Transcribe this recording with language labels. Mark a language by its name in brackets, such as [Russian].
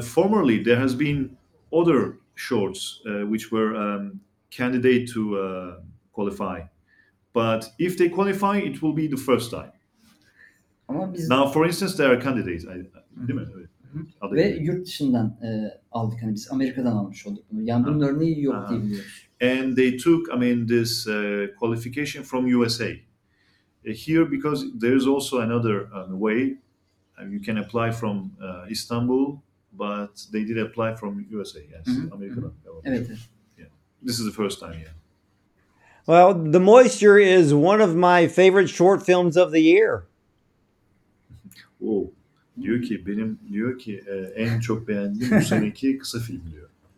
[English] Formerly there has been other shorts which were candidate to qualify, but if they qualify, it will be the first time. [Turkish] Ama biz... [English] Now, for instance, there are candidates, [Turkish] değil mi? Ve yurt dışından aldık, hani biz Amerika'dan almış olduk bunu. Yani bunun örneği yok diye biliyoruz. [English] And they took, this qualification from USA. Here, because there is also another way, you can apply from Istanbul, but they did apply from USA, yes, [Turkish] Amerika'dan. Evet. [English] This is the first time, yeah. Well, The Moisture is one of my favorite short films of the year. Oh. [Turkish] Diyor ki benim, diyor ki en çok beğendiğim bu seneki kısa film diyor.